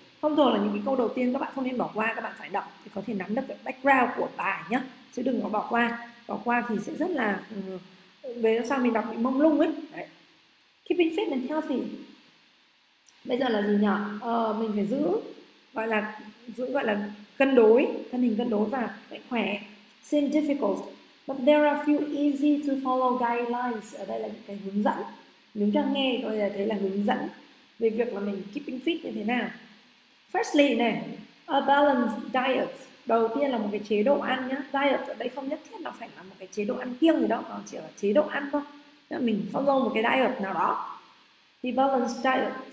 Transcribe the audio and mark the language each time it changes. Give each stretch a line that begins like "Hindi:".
Vietnamese: Thông thường là những cái câu đầu tiên các bạn không nên bỏ qua, các bạn phải đọc thì có thể nắm được cái background của bài nhé. Chứ đừng có bỏ qua. Bỏ qua thì sẽ rất là về sau mình đọc bị mông lung ấy. Đấy.
English: Keeping fit and healthy.
Vietnamese: Bây giờ là gì nhỉ? Mình phải giữ gọi là cân đối, thân hình cân đối và mạnh khỏe.
English: Seem difficult, but there are few easy to follow guidelines.
Vietnamese: Ở đây là những cái hướng dẫn. Nếu chúng ta nghe coi là thế là hướng dẫn về việc là mình
English: keeping fit
Vietnamese: như thế nào.
English: Firstly
Vietnamese: này,
English: a balanced diet.
Vietnamese: Đầu tiên là một cái chế độ ăn nhá. Diet ở đây không nhất thiết là phải là một cái chế độ ăn kiêng gì đó, nó chỉ là chế độ ăn thôi. Nên mình follow một cái diet nào đó.
English: The balanced diet.